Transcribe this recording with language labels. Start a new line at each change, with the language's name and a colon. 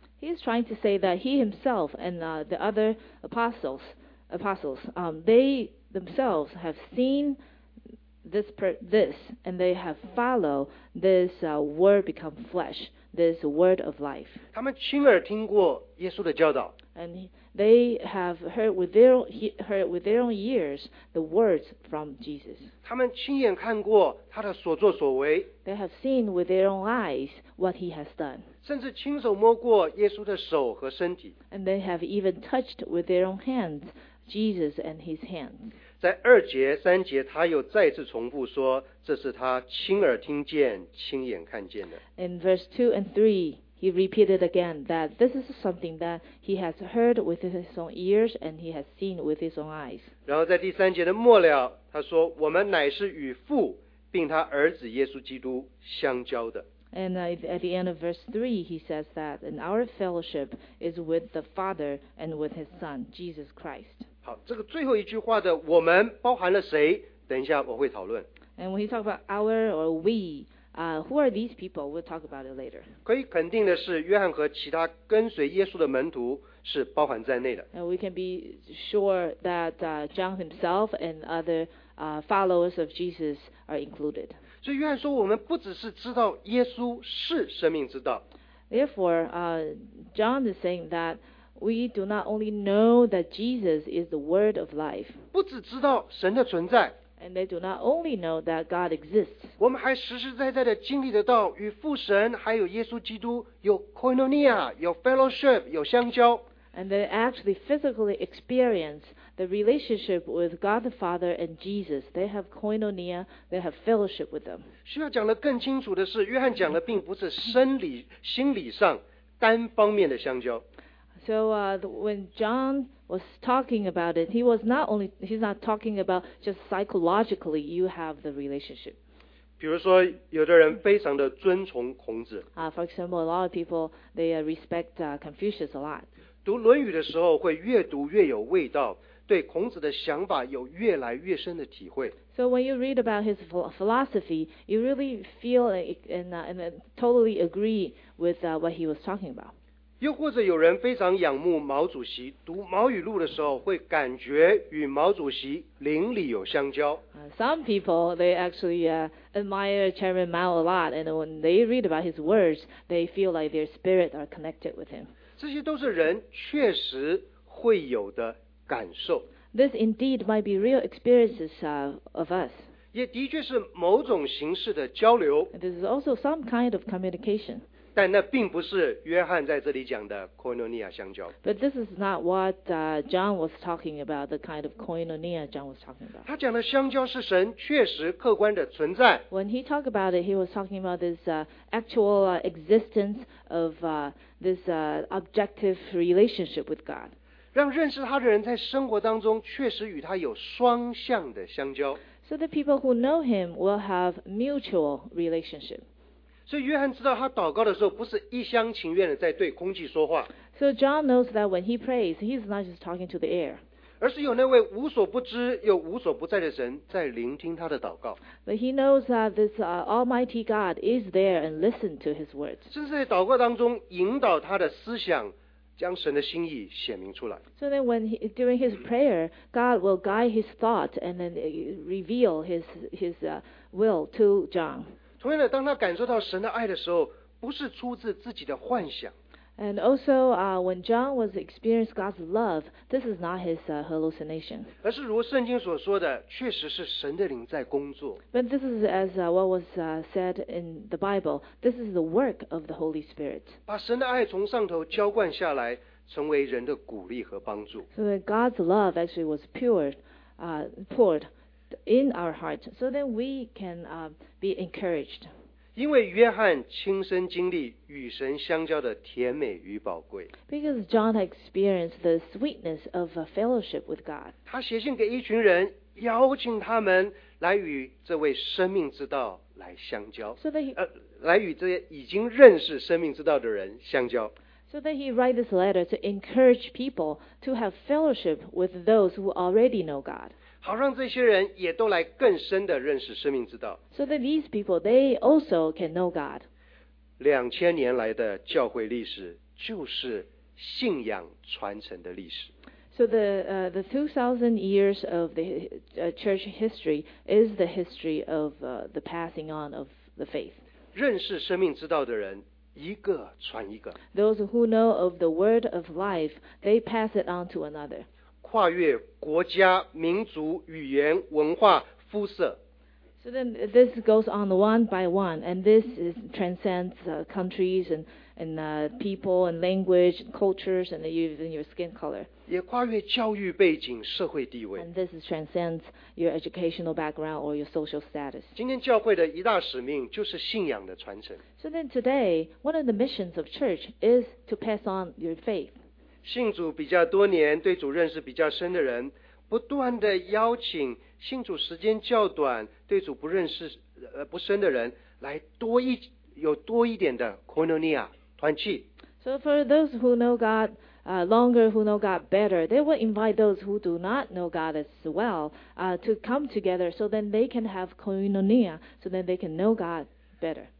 English: He's trying to say that he himself and the other apostles, themselves have seen this, and they have followed this word become flesh, this word of life.
Chinese: 他们亲耳听过耶稣的教导。
English: And They have heard with their own ears the words from Jesus.
Chinese: 他们亲眼看过他的所作所为。
English: They have seen with their own eyes what he has done.
Chinese: 甚至亲手摸过耶稣的手和身体。
English: And they have even touched with their own hands Jesus and his hands.
Chinese: 在二节、三节，他又再次重复说，这是他亲耳听见、亲眼看见的。
English: In verse 2 and 3,He repeated again that this is something that he has heard with his own ears and he has seen with his own eyes.
Chinese: 然后在第三节的末了，他说：“我们乃是与父并他儿子耶稣基督相交的。”
English: And at the end of verse 3, he says that and our fellowship is with the Father and with his Son, Jesus Christ.
Chinese: 好，这个最后一句话的“我们”包含了谁？等一下我会讨论。
English: And when he talks about our or we,who are these people? We'll talk about it later.
Chinese: 可以肯定的是，约翰和其他跟随耶稣的门徒是包含在内的。
English: And we can be sure that John himself and other followers of Jesus are included.
Chinese: 所以约翰说，我们不只是知道耶稣是生命之道。
English: Therefore, John is saying that we do not only know that Jesus is the Word of Life.
Chinese: 不只知道神的存在。
English: And they do not only know that God exists.
Chinese: 我们还实实在在地经历得到与父神还有耶稣基督有 koinonia, 有 fellowship, 有相交。
English: And they actually physically experience the relationship with God the Father and Jesus. They have koinonia, they have fellowship with them.
Chinese: 需要讲得更清楚的是，约翰讲的并不是生理、心理上单方面的相交。
English: So when John was talking about it, he's not talking about just psychologically you have the relationship.
Chinese: 比如说有的人非常的尊崇孔子。
English: For example, a lot of people, they respect Confucius a lot.
Chinese: 读论语的时候会越读越有味道，对孔子的想法有越来越深的体会。
English: So when you read about his philosophy, you really feel and totally agree with what he was talking about.
Chinese: 又或者有人非常仰慕毛主席，读毛语录的时候会感觉与毛主席邻里有相交。
English: Some people, they actually admire Chairman Mao a lot, and when they read about his words, they feel like their spirit are connected with him.
Chinese: 这些都是人确实会有的感受。
English: This indeed might be real experiences of us.
Chinese: 也的确是某种形式的交流。
English: This is also some kind of communication.
Chinese: 但那并不是约翰在这里讲的 koinonia 相交。
English: But this is not what John was talking about, the kind of koinonia John was talking about.
Chinese: 他讲的相交是神确实客观的存在。
English: When he talked about it, he was talking about this actual existence of this objective relationship with God.
Chinese: 让认识他的人在生活当中确实与他有双向的相交。
English: So the people who know him will have mutual relationship.
Chinese: 所以约翰知道他祷告的时候不是一厢情愿的在对空气说话。
English: So John knows that when he prays, he's not just talking to the air.
Chinese: 而是有那位无所不知又无所不在的神在聆听他的祷告。
English: But he knows that this Almighty God is there and listen to his words.
Chinese: 甚至在祷告当中引导他的思想将神的心意显明出来。
English: So then during his prayer, God will guide his thought and then reveal his will to John.
Chinese: 同样的，当他感受到神的爱的时候，不是出自自己的幻想。
English: And also, when John was experienced God's love, this is not his hallucination.
Chinese: 而是如圣经所说的，确实是神的灵在工作。
English: But this is as what was said in the Bible. This is the work of the Holy Spirit.
Chinese: 把神的爱从上头浇灌下来，成为人的鼓励和帮助。
English: So that God's love actually was poured. In our heart, so then we can be encouraged.
Chinese: 因为约翰亲身经历与神相交的甜美与宝贵。
English: Because John experienced the sweetness of a fellowship with God.
Chinese: 他写信给一群人，邀请他们来与这位生命之道来相交。
English: So that he,
Chinese: 来与这些已经认识生命之道的人相交。
English: So that he write this letter to encourage people to have fellowship with those who already know God.
Chinese: 好让这些人也都来更深的认识生命之道。
English: So that these people, they also can know God.
Chinese: 两千年来的教会历史就是信仰传承的历史。
English: So the 2,000 years of the church history is the history of the passing on of the faith.
Chinese: 认识生命之道的人一个传一个。
English: Those who know of the word of life, they pass it on to another.
Chinese: 跨越国家、民族、语言、文化、肤色。
English: So then this goes on one by one, and this is, transcends countries and people and language and cultures and even your skin color.
Chinese: 也跨越教育背景、社会地位。
English: And this transcends your educational background or your social status.
Chinese: 今天教会的一大使命就是信仰的传承。
English: So then today, one of the missions of church is to pass on your faith.
Chinese: 信主比较多年、对主认识比较深的人，不断地邀请信主时间较短、对主不认识、不深的人来多一有多一点的 koinonia 团契。
English: So for those who know God, longer, who know God better, they will invite those who do not know God as well, to come together, so then they can have koinonia, so then they can know God better.